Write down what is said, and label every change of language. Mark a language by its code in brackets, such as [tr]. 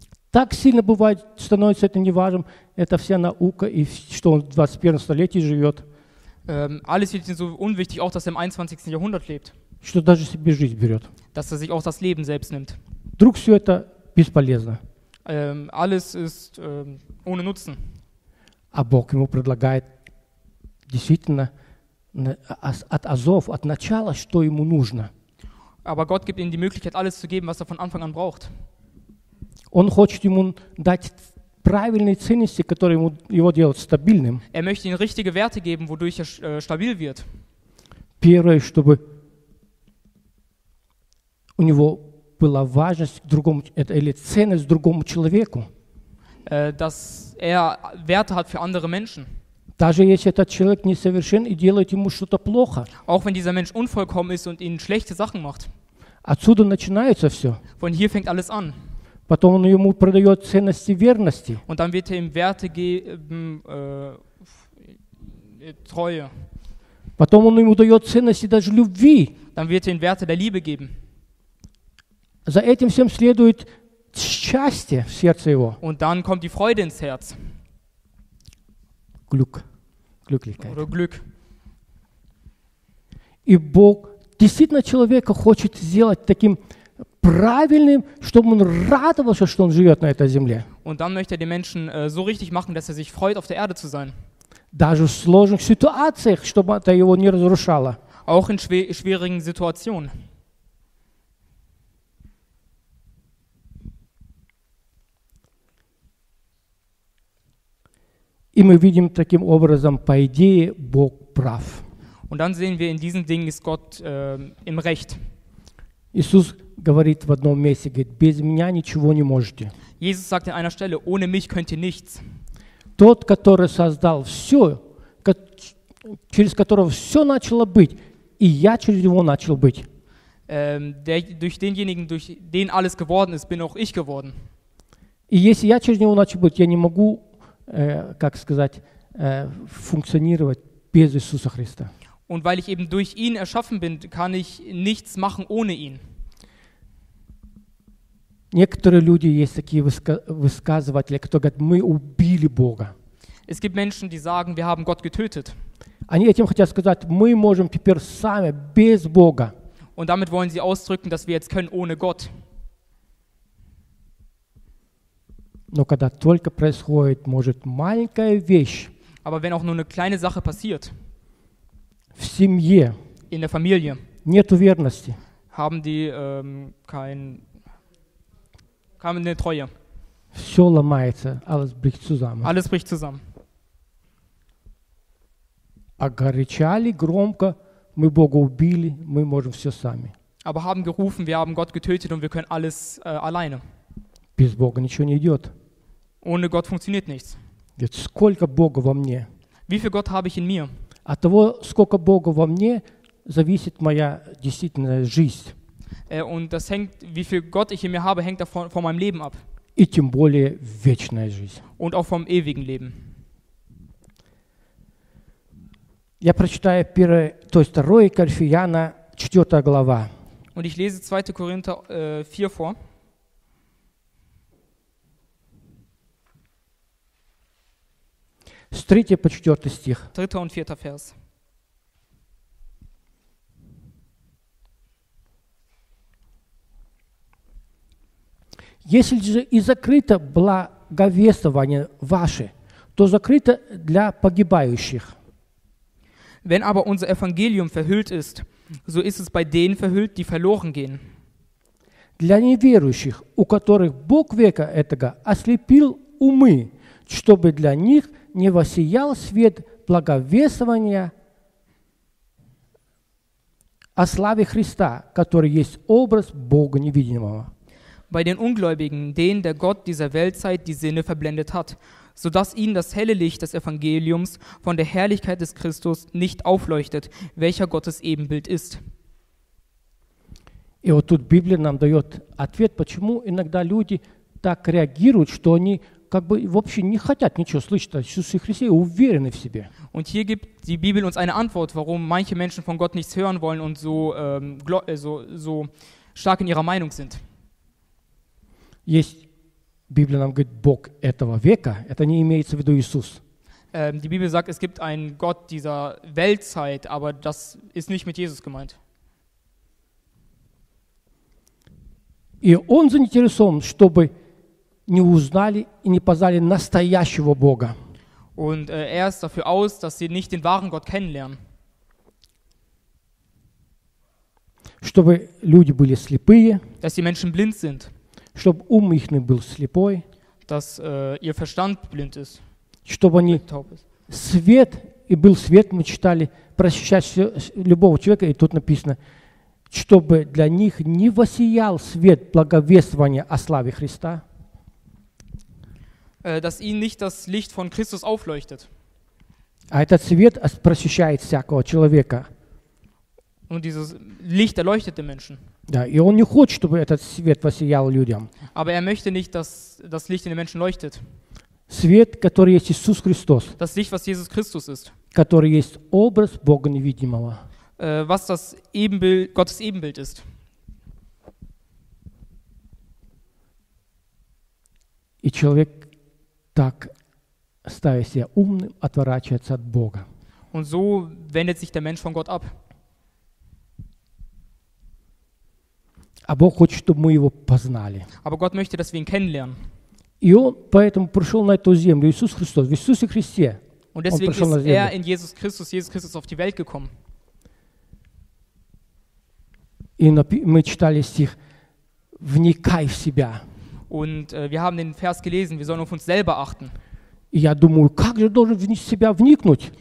[ru] Так сильно бывает, становится это неважным, это вся наука, и что он в 21 столетии живет. [de] Alles wird ihm so unwichtig, auch dass er im 21. Jahrhundert lebt. [ru] Что даже себе жизнь берет. [de] Dass er sich auch das Leben selbst nimmt. [ru] Вдруг все это бесполезно. [de] Alles ist ohne Nutzen. [ru] А Бог ему предлагает действительно от азов, от начала, что ему нужно. [de] Aber Gott gibt ihnen die Möglichkeit, alles zu geben, was er von Anfang an braucht. [ru] Он хочет ему дать правильные ценности, которые ему его делают стабильным. [de] Er möchte ihnen richtige Werte geben, wodurch er stabil wird. [ru] Первое, чтобы у него была важность к другому, или ценность к другому человеку. [de] Dass er Werte hat für andere Menschen. [ru] Даже если этот человек несовершен и делает ему что-то плохо. [de] Auch wenn dieser Mensch unvollkommen ist und ihnen schlechte Sachen macht. [ru] Отсюда начинается все. [de] Von hier fängt alles an. [ru] Потом он ему продает ценности верности. [de] Und dann wird er ihm Werte geben, Treue. [ru] Потом он ему дает ценности даже любви. [de] Dann wird er ihm Werte der Liebe geben. [ru] За этим всем следует счастье в сердце его. [de] Und dann kommt die Freude ins Herz. Glück, Glücklichkeit. Oder Glück. [ru] И Бог действительно человека хочет сделать таким правильным, чтобы он радовался, что он живет на этой земле. [de] Und dann möchte er den Menschen so richtig machen, dass er sich freut, auf der Erde zu sein. [ru] Даже в сложных ситуациях, чтобы это его не разрушало. [de] Auch in schwierigen Situationen. [ru] И мы видим таким образом, по идее, Бог прав. [de] Und dann sehen wir, in diesen Dingen ist Gott im Recht. [ru] Иисус говорит в одном месте, говорит, без меня ничего не можете. [de] Jesus sagt an einer Stelle, ohne mich könnt ihr nichts. [ru] Тот, который создал все, через которого все начало быть, и я через него начал быть. [de] Durch denjenigen, durch den alles geworden ist, bin auch ich geworden. [ru] И если я через него начал быть, я не могу как сказать, функционировать без Иисуса Христа. [de] Und weil ich eben durch ihn erschaffen bin, kann ich nichts machen ohne ihn. [ru] Некоторые люди есть такие высказыватели, которые говорят, мы убили Бога. [de] Es gibt Menschen, die sagen, wir haben Gott getötet. [ru] Они этим хотят сказать, мы можем теперь сами без Бога. [de] Und damit wollen sie ausdrücken, dass wir jetzt können ohne Gott. [ru] Но когда только происходит, может, маленькая вещь. [de] Aber wenn auch nur eine kleine Sache passiert. [ru] В семье. [de] In der Familie. [ru] Нет уверенности. [de] Haben die keine Treue. [ru] Все ломается, [de] alles bricht zusammen. Alles bricht zusammen. [ru] Огорчали громко, мы Бога убили, мы можем все сами. [de] Aber haben gerufen, wir haben Gott getötet und wir können alles alleine. [ru] Без Бога ничего не идет. [de] Ohne Gott funktioniert nichts. Jetzt [ru] сколько Бога во мне? [de] Wie viel Gott habe ich in mir? [ru] От того, сколько Бога во мне, зависит моя действительная жизнь. [de] Und das hängt, wie viel Gott ich in mir habe, hängt davon von meinem Leben ab. [ru] И тем более вечная жизнь. [de] Und auch vom ewigen Leben. [ru] Я прочитаю 2 Коринфяна, 4 глава. [de] Und ich lese 2. Korinther 4 vor. [ru] С 3 по 4 стих. [de] 3. und 4. Vers. [ru] Если же и закрыто благовествование ваше, то закрыто для погибающих. [de] Wenn aber unser Evangelium verhüllt ist, so ist es bei denen verhüllt, die verloren gehen. [ru] Для неверующих, у которых Бог века этого ослепил умы, чтобы для них не воссиял свет благовествования о славе Христа, который есть образ Бога невидимого. [de] Bei den Ungläubigen, denen der Gott dieser Weltzeit die Sinne verblendet hat, sodass ihnen das helle Licht des Evangeliums von der Herrlichkeit des Christus nicht aufleuchtet, welcher Gottes Ebenbild ist. [ru] И вот тут Библия нам дает ответ, почему иногда люди так реагируют, что они как бы вообще не хотят ничего слышать о Иисусе Христе, уверены в себе. [de] Und hier gibt die Bibel uns eine Antwort, warum manche Menschen von Gott nichts hören wollen und so stark in ihrer Meinung sind. [ru] Есть Библия нам говорит Бог этого века, это не имеется в виду Иисус. [de] Die Bibel sagt, es gibt einen Gott dieser Weltzeit, aber das ist nicht mit Jesus gemeint. [ru] И он заинтересован, чтобы не узнали и не познали настоящего Бога. [de] Und er ist dafür aus, dass sie nicht den wahren Gott kennenlernen. [ru] Чтобы люди были слепые. [de] Dass die Menschen blind sind. [ru] Чтобы ум их не был слепой. [de] Dass ihr Verstand blind ist. [ru] Чтобы они свет, и был свет, мы читали, просвещать любого человека, и тут написано, чтобы для них не воссиял свет благовествования о славе Христа. [de] Dass ihnen nicht das Licht von Christus aufleuchtet. [ru] А этот свет просвещает всякого человека. [de] Und dieses Licht erleuchtet den Menschen. [ru] Да, и он не хочет, чтобы этот свет воссиял людям. [de] Aber er möchte nicht, dass das Licht in den Menschen leuchtet. [ru] Свет, который есть Иисус Христос. [de] Das Licht, was Jesus Christus ist. [ru] Который есть образ Бога невидимого. [de] Was das Ebenbild, Gottes Ebenbild ist. [ru] И человек так, ставя себя умным, отворачивается от Бога. [de] Und so wendet sich der Mensch von Gott ab. [ru] А Бог хочет, чтобы мы его познали. [de] Aber Gott möchte, dass wir ihn kennenlernen. [ru] И он поэтому пришел на эту землю, Иисус Христос, в Иисусе Христе. [de] Und deswegen ist er in Jesus Christus auf die Welt gekommen. [ru] И мы читали стих: «Вникай в себя». [de] Und wir haben den Vers gelesen, wir sollen auf uns selber achten. [ru] И я думаю, как же должен в себя вникнуть?